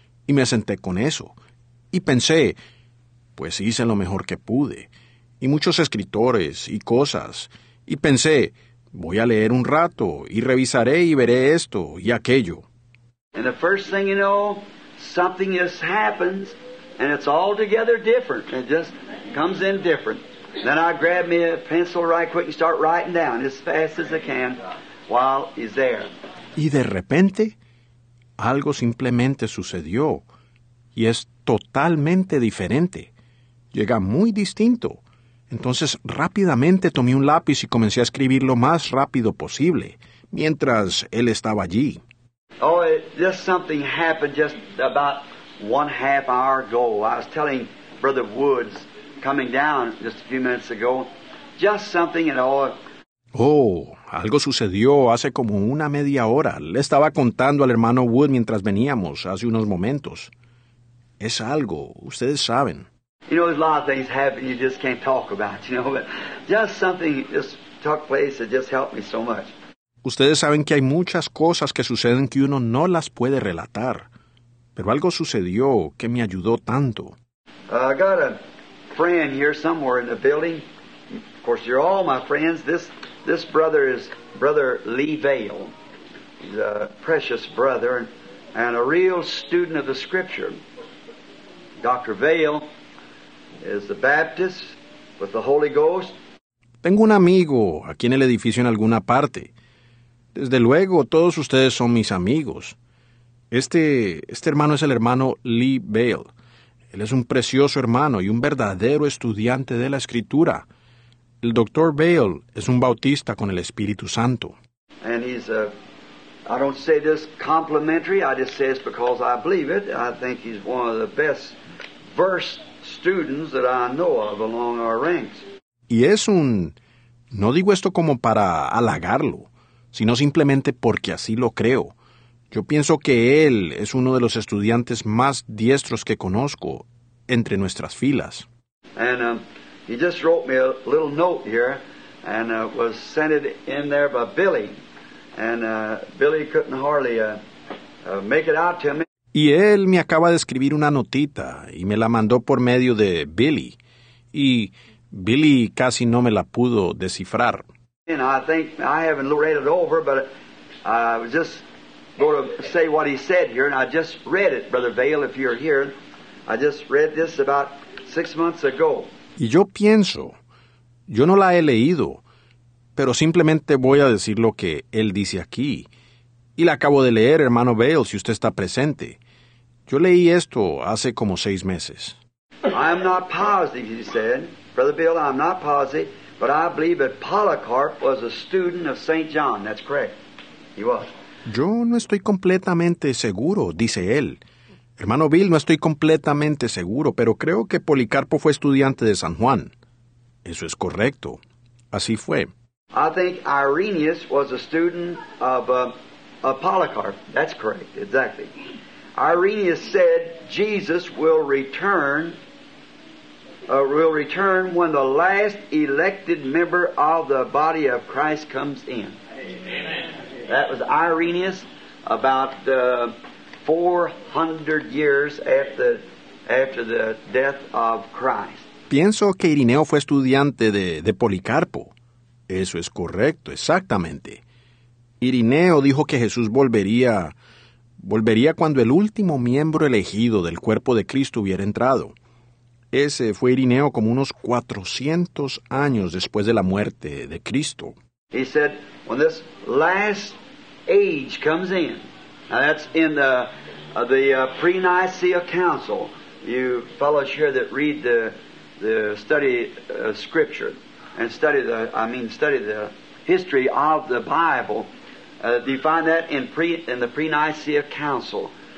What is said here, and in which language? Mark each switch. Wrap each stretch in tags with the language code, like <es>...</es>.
<es>Y me senté con eso. Y pensé, pues hice lo mejor que pude. Y muchos escritores y cosas. Y pensé, voy a leer un rato y revisaré y veré esto y aquello.</es> <en>And the first thing you know, something just happens, and it's altogether different. It just comes in different. Then I grab me a pencil right quick and start writing down as fast as I can while he's there.</en> <es>Y de repente, algo simplemente sucedió, y es totalmente diferente. Llega muy distinto. Entonces, rápidamente tomé un lápiz y comencé a escribir lo más rápido posible, mientras él estaba allí.</es> <en>Oh, just something happened just about 1/2 hour ago. I was telling Brother Woods coming down just a few minutes ago, just something at all.</en> <es>Oh, algo sucedió hace como una media hora. Le estaba contando al hermano Wood mientras veníamos hace unos momentos. Es algo, ustedes saben.</es> <en>You know, there's a lot of things happen you just can't talk about, you know, but just something just took place that just helped me so much.</en> <es>Ustedes saben que hay muchas cosas que suceden que uno no las puede relatar, pero algo sucedió que me ayudó tanto.</es> <en>I got a friend here somewhere in the building. Of course, you're all my friends. This brother is Brother Lee Vail. He's a precious brother and a real student of the Scripture. Dr. Vail is a Baptist with the Holy Ghost.</en> <es>Tengo un amigo aquí en el edificio en alguna parte. Desde luego, todos ustedes son mis amigos. Este hermano es el hermano Lee Vail. Él es un precioso hermano y un verdadero estudiante de la Escritura. El Dr. Vail es un bautista con el Espíritu Santo.</es> <en>And he's a, I don't say this complimentary, I just say it's because I believe it. I think he's one of the best verse students that I know of along our ranks.</en> <es>Y es un, no digo esto como para halagarlo, sino simplemente porque así lo creo. Yo pienso que él es uno de los estudiantes más diestros que conozco entre nuestras filas.</es> <en>And he just wrote me a little note here, and was sent it in there by Billy. And Billy couldn't hardly make it out to me.</en> <es>Y él me acaba de escribir una notita, y me la mandó por medio de Billy. Y Billy casi no me la pudo descifrar.</es> <en>And I think I haven't read it over, but I was just going to say what he said here, and I just read it, Brother Vail, if you're here. I just read this about 6 months ago.</en> <es>Y yo pienso, yo no la he leído, pero simplemente voy a decir lo que él dice aquí. Y la acabo de leer, hermano Vail, si usted está presente. Yo leí esto hace como 6 meses.</es> <en>I am not positive, he said. Brother Vail, I'm not positive. But I believe that Polycarp was a student of St. John. That's correct. He was.</en> <es>Yo no estoy completamente seguro, dice él. Hermano Bill, no estoy completamente seguro, pero creo que Policarpo fue estudiante de San Juan. Eso es correcto. Así fue.</es> <en>I think Irenaeus was a student of Polycarp. That's correct. Exactly. Irenaeus said Jesus will return... will return when the last elected member of the body of Christ comes in. Amen. That was Irenaeus about 400 years after the death of Christ.</en> <es>Pienso que Ireneo fue estudiante de Policarpo. Eso es correcto, exactamente. Ireneo dijo que Jesús volvería cuando el último miembro elegido del cuerpo de Cristo hubiera entrado. Ese fue Ireneo como unos 400 años después de la muerte de Cristo.</es> <en>He said, when this last age comes in, now that's in the pre-Nicaea Council. You fellows here that read the study scripture and study the history of the Bible, you find that in the pre-Nicaea Council.</en>